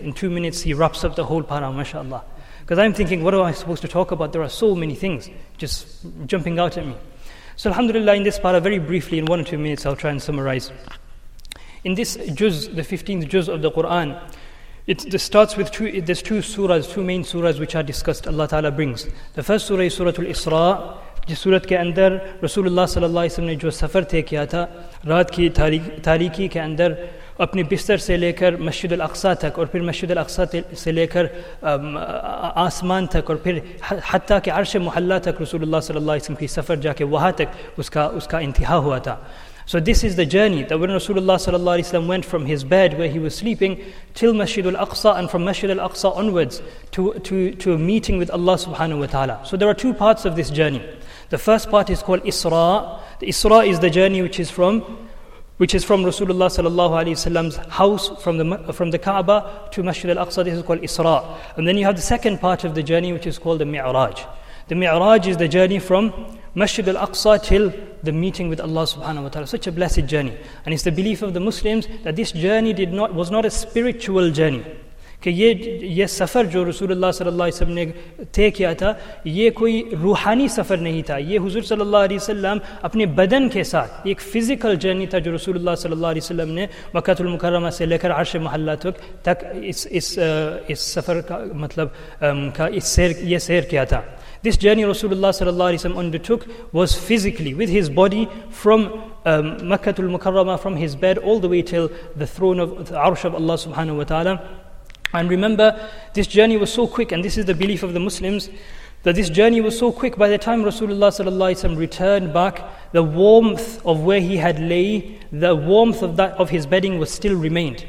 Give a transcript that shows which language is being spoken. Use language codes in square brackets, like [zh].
[en] In 2 minutes, he wraps up the whole para, mashallah. Because I'm thinking, what am I supposed to talk about? There are so many things just jumping out at me. So alhamdulillah, in this para, very briefly, in 1 or 2 minutes, I'll try and summarize. In this juz, the 15th juz of the Qur'an, there's two main surahs which are discussed, Allah Ta'ala brings. The first surah is Suratul Isra, [ur] جس صورت کے اندر رسول اللہ صلی اللہ علیہ وسلم نے جو سفر طے کیا تھا رات کی تاریکی کے اندر، اپنی بستر سے لے کر مسجد الاقصیٰ تک اور پھر مسجد الاقصیٰ سے لے کر آسمان تک اور پھر حتیٰ کہ عرش محلہ تک رسول اللہ صلی اللہ علیہ وسلم کی سفر جا کے وہاں تک اس کا انتہا ہوا تھا. [en] So this is the journey that when Rasulullah sallallahu alaihi wasallam went from his bed where he was sleeping till Masjid al-Aqsa, and from Masjid al-Aqsa onwards to a meeting with Allah subhanahu wa ta'ala. So there are two parts of this journey. The first part is called Isra. The Isra is the journey which is from Rasulullah sallallahu alaihi wasallam's house from the Kaaba to Masjid al-Aqsa. This is called Isra. And then you have the second part of the journey which is called the Mi'raj. The Mi'raj is the journey from Masjid al-Aqsa till the meeting with Allah subhanahu wa ta'ala. Such a blessed journey. And it's the belief of the Muslims that this journey was not a spiritual journey. [ur] کہ یہ سفر جو رسول اللہ صلی اللہ علیہ وسلم نے طے کیا تھا یہ کوئی روحانی سفر نہیں تھا. یہ حضور صلی اللہ علیہ وسلم اپنے بدن کے ساتھ ایک فزیکل جرنی تھا جو رسول اللہ صلی اللہ علیہ وسلم نے مکہ المکرمہ سے لے کر عرش محلہ تک اس سفر کا مطلب کا اس سیر یہ سیر کیا تھا. [en] This journey Rasulullah sallallahu alaihi wasallam undertook was physically with his body from Makkah al-Mukarramah, from his bed all the way till the throne of the Arsh of Allah subhanahu wa ta'ala. And remember, this journey was so quick, and this is the belief of the Muslims, that this journey was so quick, by the time Rasulullah sallallahu alaihi wasallam returned back, the warmth of where he had lay, the warmth of that of his bedding was still remained.